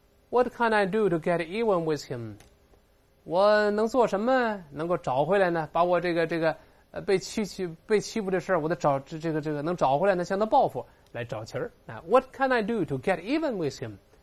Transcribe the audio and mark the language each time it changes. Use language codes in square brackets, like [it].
[en] What can I do to get even with him？ [zh] 我能做什么能够找回来呢？把我这个被欺负的事儿，我得找这个能找回来呢，向他报复来找齐儿。 [en] What can I do to get even with him？